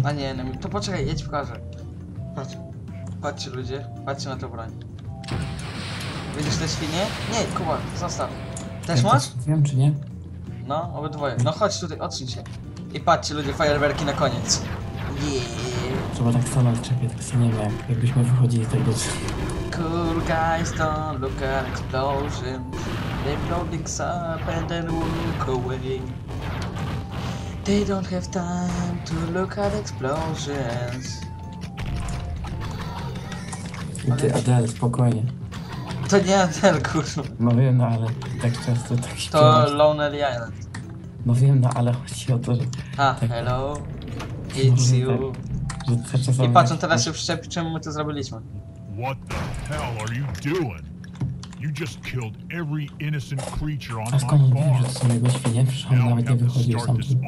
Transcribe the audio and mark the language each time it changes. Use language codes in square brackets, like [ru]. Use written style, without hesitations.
[pl] A nie, no, to poczekaj, jedź pokażę. Patrz. Patrzcie ludzie, patrzcie na to broń. Widzisz te świnie? Nie, Kuba, zostaw. Też masz? Wiem czy nie. No, obydwoje. No chodź tutaj, odsuń się. I patrzcie ludzie, fajerwerki na koniec. [en] Yeah. [pl] Trzeba tak stanąć, czekaj, tak sobie nie wiem, jakbyśmy wychodzili z tego. [en] Cool guys don't look at explosion. They blow things up and then walk away. They don't have time to look at explosions. [pl] I ty Adele, spokojnie. To nie Adele, kurwa. No wiem, no ale tak często tak śpiewasz. To Lonely Island. No wiem, no ale chodzi o to, że... A, tak, [en] hello, it's you. [pl] Tak, że i patrz, on teraz się przyczepi, czemu my to zrobiliśmy. [en] What the hell are you doing? You just killed every innocent creature on my farm. [pl] A skąd on wiem, że to są jego świnie? Przecież on nawet nie wychodził sam.